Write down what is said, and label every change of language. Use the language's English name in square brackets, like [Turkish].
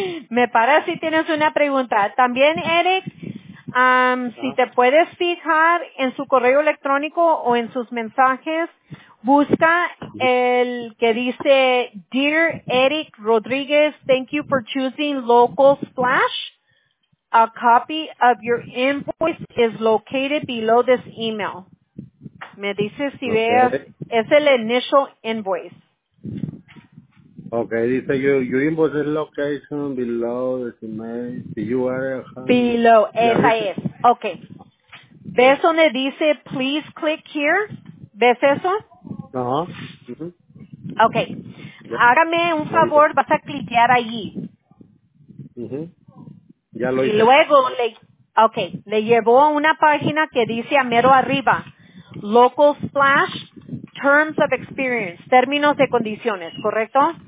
[Spanish] Me parece si tienes una pregunta. También, Eric, si te puedes fijar en su correo electrónico o en sus mensajes, busca el que dice, [English] Dear Eric Rodriguez, thank you for choosing Local Splash. A copy of your invoice is located below this email. [Spanish] Me dice si veas, es el [English] initial invoice. Okay, [Spanish] dice, [English] your invoice is located below this email. The URL. Below, [Spanish] esa es. Okay. ¿Ves donde dice, [English] please click here? [Spanish] ¿Ves eso? Uh-huh. Okay. Hágame un favor, vas a cliquear allí. Ya lo hice. Y luego le llevó a una página que dice a mero arriba, Local Splash Terms of Experience, términos de condiciones, ¿correcto?